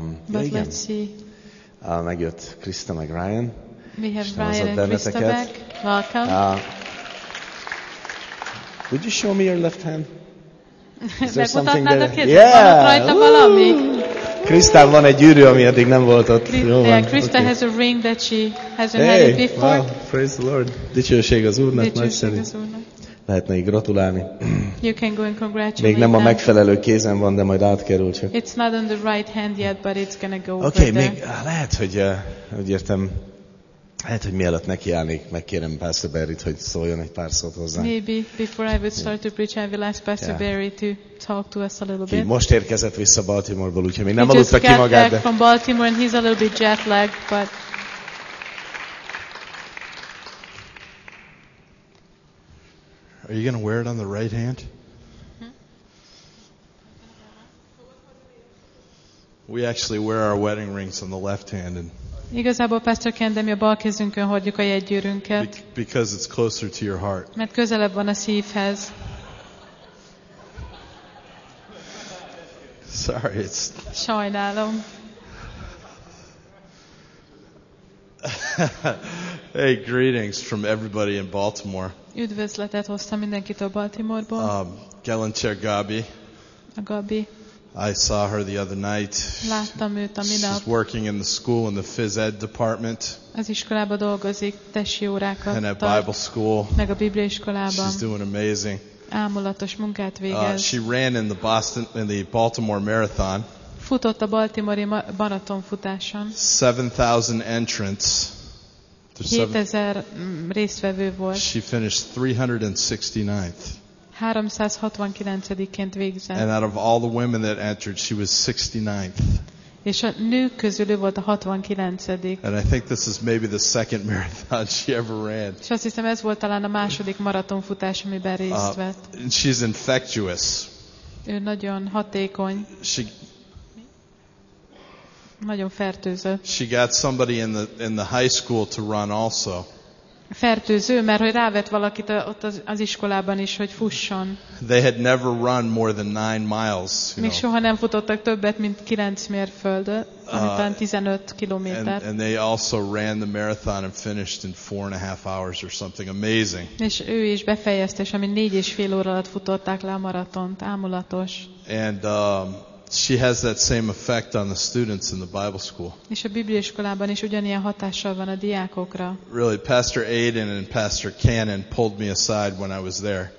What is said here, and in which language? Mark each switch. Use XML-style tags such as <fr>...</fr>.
<en>But let's see.</en> <hu>Megjött Krista meg Ryan.</hu> <en>We have Ryan and Krista back. Welcome. Would you show me your left hand?</en> <hu>Megmutatnád a kezdet, van ott rajta valami? Krisztán van egy gyűrű, ami eddig nem volt ott.</hu> <en>Krisztán has a ring that she hasn't had it before. Wow, praise the Lord.</en> <hu>Dicsőség az Úrnak, nagyszerű. Lehetne így gratulálni.</hu> <en>You can go and congratulate</en> <hu>még nem a megfelelő kézen van, de majd átkerül csak.</hu> <en>It's not on the right hand yet, but it's gonna go over.</en> <hu>Okay, még lehet, hogy úgy értem, lehet, hogy mielőtt nekiállnék, megkérem Pastor Barry-t, hogy szóljon egy pár szót hozzá.</hu> <en>Maybe before I would start to preach, I will ask Pastor Barry to talk to us a little bit.</en> <hu>Ki most érkezett vissza Baltimore-ból, úgyhogy még nem aludta ki magát.</hu> <en>He just got back from Baltimore and he's a little bit jet lagged, but... Are you going to wear it on the right hand? We actually wear our wedding rings on the left hand and...</en> <hu>Igazából Pastor Ken, de mi a bal kezünkön hordjuk a jegygyűrünket.</hu> <en>Because it's closer to your heart.</en> <hu>Mert közelebb van a szívhez.</hu> <en>Sorry, it's...</en> <hu>Sajnálom.</hu> <en>Hey, greetings from everybody in Baltimore.</en> <hu>Üdvözletet hoztam mindenkit a Baltimore-ból. Gelencser Gabi. A Gabi.</hu> <en>I saw her the other night.</en> <hu>Láttam őt a minap.</hu> <en>She's working in the school in the phys ed department.</en> <hu>Az iskolában dolgozik, tesi órákat tart.</hu> <en>And at Bible school.</en> <hu>Meg a Biblia iskolában.</hu> <en>She's doing amazing.</en> <hu>Álmulatos munkát végez.</hu> <en>She ran in the Boston in the Baltimore Marathon.</en> <hu>Futott a baltimori maraton futáson.</hu> <en>7,000 entrants.</en> <hu>7,000 résztvevő volt.</hu> <en>She finished 369th.</en> <hu>369-ként végzett.</hu> <en>And out of all the women that entered, she was 69th.</en> <hu>És a nők közül ő volt a 69.</hu> <en>And I think this is maybe the second marathon she ever ran.</en> <hu>És azt hiszem, ez volt talán a második maratonfutás, amiben részt vett.</hu> <en>And she's infectious.</en> <hu>Ő nagyon hatékony. Nagyon fertőző.</hu> <en>She got somebody in the high school to run also.</en> <hu>Fertőző, mert hogy rávett valakit ott az iskolában is, hogy fusson.</hu> <en>They had never run more than 9 miles.</en> <hu>Még soha nem futottak többet, mint 9 mérföldet, talán 15 kilométer.</hu> <en>And they also ran the marathon and finished in 4.5 hours or something amazing.</en> <hu>És ő is befejezte, ami 4.5 óra alatt futották le a maratont. Ámulatos.</hu> <en>And She has that same effect on the students in the Bible school.</en> <hu>És a Biblia iskolában is ugyanilyen hatással van a diákokra.</hu> <en>Really, Pastor Aiden and Pastor Cannon pulled me aside when I was there.</en>